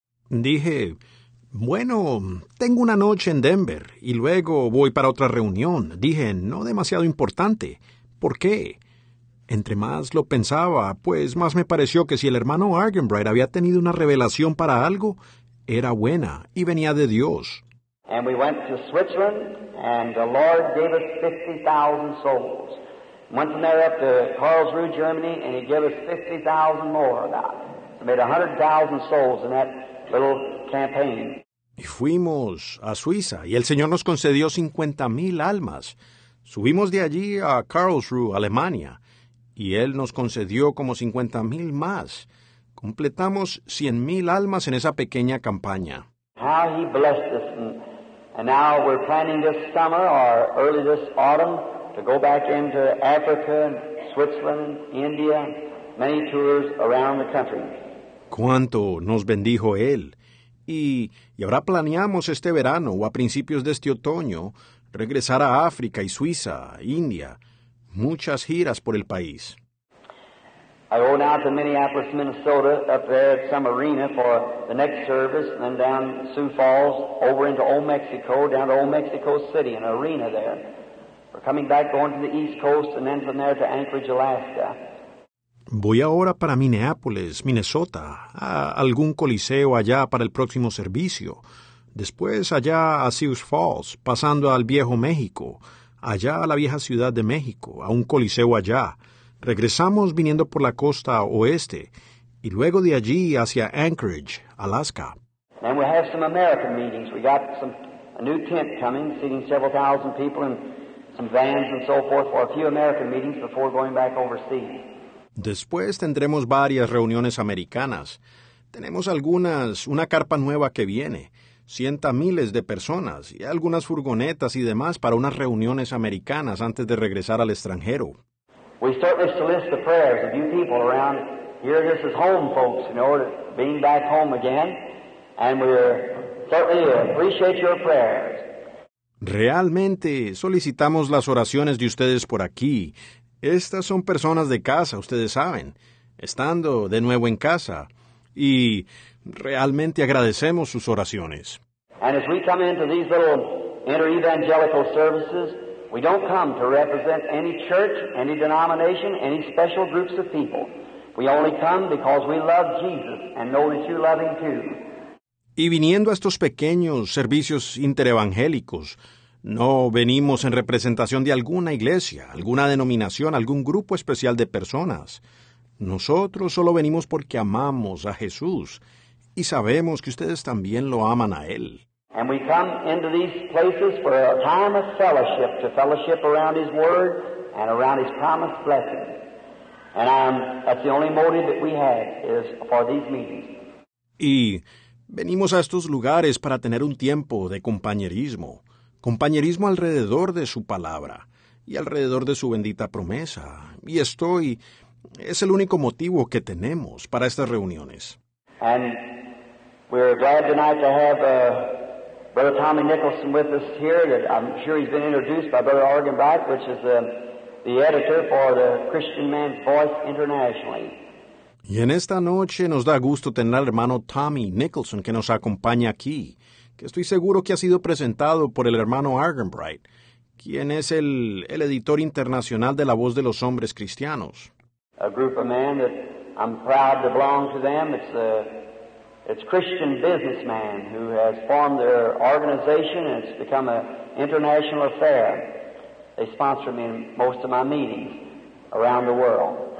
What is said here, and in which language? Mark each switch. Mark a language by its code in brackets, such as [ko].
[es] Dije, bueno, tengo una noche en Denver, y luego voy para otra reunión. Dije, no demasiado importante. ¿Por qué? Entre más lo pensaba, pues más me pareció que si el hermano Argenbright había tenido una revelación para algo, era buena y venía de Dios. [en] And we went to Switzerland, and the Lord gave us 50,000 souls. Went from there up to Karlsruhe, Germany, and he gave us 50,000 more about it. Made 100,000 souls in that little campaign. [es] Y fuimos a Suiza, y el Señor nos concedió 50,000 almas. Subimos de allí a Karlsruhe, Alemania, y Él nos concedió como 50,000 más. Completamos 100,000 almas en esa pequeña campaña. [en] How he blessed us. And now we're planning this summer or early this autumn to go back into Africa, Switzerland, India, many tours around the country. [es] ¿Cuánto nos bendijo Él? Y ahora planeamos este verano o a principios de este otoño regresar a África y Suiza, India, muchas giras por el país. [en] I go now to Minneapolis, Minnesota, up there at some arena for the next service, and then down Sioux Falls, over into Old Mexico, down to Old Mexico City, an arena there. We're coming back, going to the East Coast, and then from there to Anchorage, Alaska. [es] Voy ahora para Minneapolis, Minnesota, a algún coliseo allá para el próximo servicio. Después allá a Sioux Falls, pasando al Viejo México, allá a la vieja ciudad de México, a un coliseo allá. Regresamos viniendo por la costa oeste, y luego de allí hacia Anchorage, Alaska. [en] And we have some American meetings. We got a new tent coming, seating several thousand people and some vans and so forth for a few American meetings before going back overseas. [es] Después tendremos varias reuniones americanas. Tenemos algunas, una carpa nueva que viene, 100,000 de personas, y algunas furgonetas y demás para unas reuniones americanas antes de regresar al extranjero. [en] We certainly solicit the prayers of you people around here. This is home, folks, you know, being back home again. And we certainly appreciate your prayers. [es] Realmente solicitamos las oraciones de ustedes por aquí. Estas son personas de casa, ustedes saben, estando de nuevo en casa. Y realmente agradecemos sus oraciones. [en] And as we come into these little inter-evangelical services, we don't come to represent any church, any denomination, any special groups of people. We only come because we love Jesus and know that you love him too. [es] Y viniendo a estos pequeños servicios interevangélicos, no venimos en representación de alguna iglesia, alguna denominación, algún grupo especial de personas. Nosotros solo venimos porque amamos a Jesús y sabemos que ustedes también lo aman a Él. [en] And we come into these places for a time of fellowship, to fellowship around His Word and around His promised blessing. And that's the only motive that we have is for these meetings. [es] Y venimos a estos lugares para tener un tiempo de compañerismo. Compañerismo alrededor de su palabra y alrededor de su bendita promesa. Y estoy, es el único motivo que tenemos para estas reuniones. [en] And we're glad tonight to have Brother Tommy Nicholson with us here. I'm sure he's been introduced by Brother Argenbright, which is the editor for the Christian Man's Voice internationally. [es] Y en esta noche nos da gusto tener al hermano Tommy Nicholson que nos acompaña aquí, que estoy seguro que ha sido presentado por el hermano Argenbright, quien es el editor internacional de La Voz de los Hombres Cristianos. [en] A group of men that I'm proud to belong to them. It's Christian businessmen who has formed their organization and it's become an international affair. They sponsor me in most of my meetings around the world.